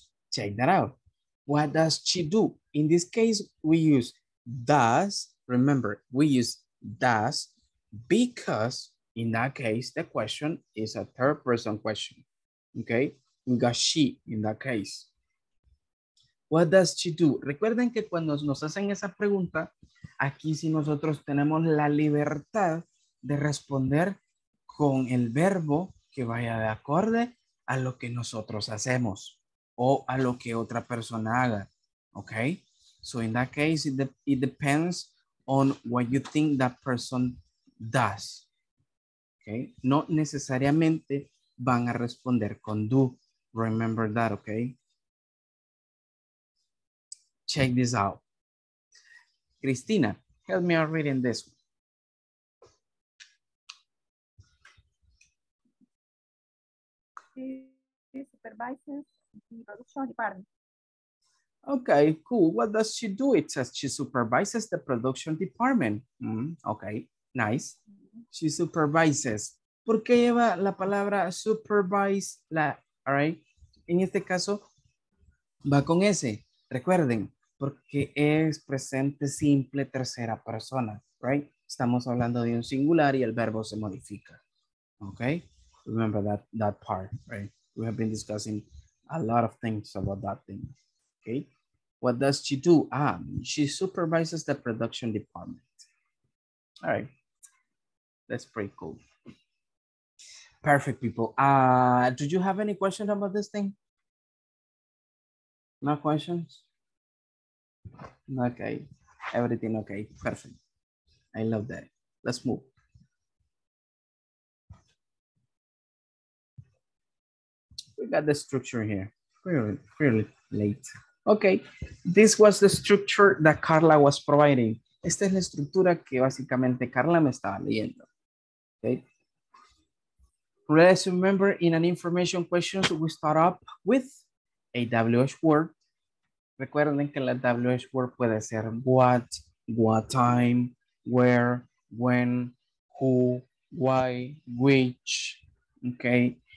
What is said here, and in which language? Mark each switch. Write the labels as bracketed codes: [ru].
[en] Check that out. What does she do? In this case, we use does. Remember, we use does because in that case, the question is a third person question. Okay, we got she in that case. What does she do? [es] Recuerden que cuando nos hacen esa pregunta, aquí sí nosotros tenemos la libertad de responder con el verbo que vaya de acorde a lo que nosotros hacemos o a lo que otra persona haga. [en] Okay? So in that case, it depends on what you think that person does. Okay? [es] No necesariamente van a responder con do. [en] Remember that, okay? Check this out. Cristina, help me out reading this one. She supervises the production department. Okay, cool. What does she do? It says she supervises the production department. Mm-hmm. Okay, nice. She supervises. [es] ¿Por qué lleva la palabra supervise? La, [en] all right. [es] En este caso, va con S. Recuerden, porque es presente simple tercera persona. [en] Right? [es] Estamos hablando de un singular y el verbo se modifica. [en] Okay? Remember that part, right? We have been discussing a lot of things about that thing, okay? What does she do? She supervises the production department. All right, that's pretty cool. Perfect, people. Do you have any questions about this thing? No questions? Okay, everything okay, perfect. I love that. Let's move. We got the structure here. Really late. Okay, this was the structure that Carla was providing. [es] Esta es la estructura que básicamente Carla me estaba leyendo. [en] Okay. Let's remember in an information question, we start up with a WH word. [es] Recuerden que la WH word puede ser what time, where, when, who, why, which. Okay.